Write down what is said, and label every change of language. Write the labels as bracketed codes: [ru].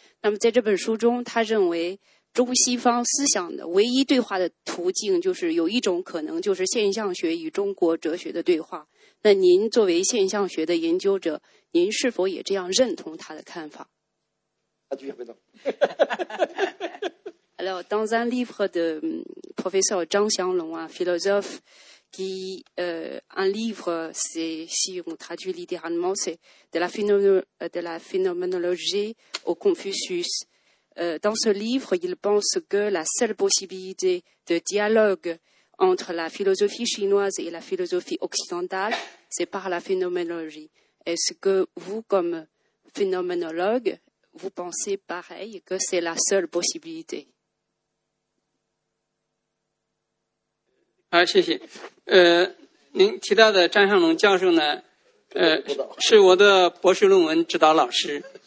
[zh] 那么在这本书中，他认为中西方思想的唯一对话的途径，就是有一种可能，就是现象学与中国哲学的对话。那您作为现象学的研究者，您是否也这样认同他的看法？ [fr] Alors, dans un livre de professeur Zhang Xianglong, philosophe,qui un livre, c'est, si on traduit littéralement, c'est de la phénoménologie au Confucius. Dans ce livre, il pense que la seule possibilité de dialogue entre la philosophie chinoise et la philosophie occidentale, c'est par la phénoménologie. Est-ce que vous, comme phénoménologue, vous pensez pareil, que c'est la seule possibilité ? [zh] 好，谢谢。您提到的张向龙教授呢，是我的博士论文指导老师。